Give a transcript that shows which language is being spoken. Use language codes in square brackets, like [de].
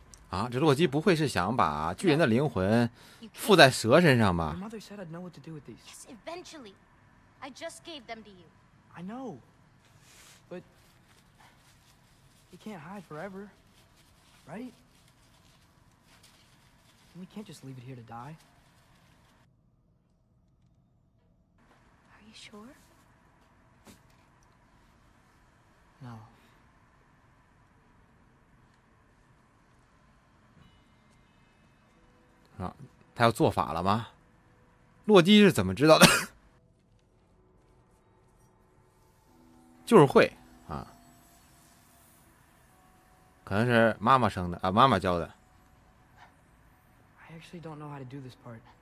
[zh] 啊，这洛基不会是想把巨人的灵魂附在蛇身上吧？ [en] Your mother said I'd know what to do with these. Yes, eventually. I just gave them to you. I know. But you can't hide forever, right? And we can't just leave it here to die. Are you sure? No. [zh] Ah, 他要做法了吗？洛基是怎么知道的？就是会啊，可能是妈妈生的啊，妈妈教的。 [en] I actually don't know how to do this part.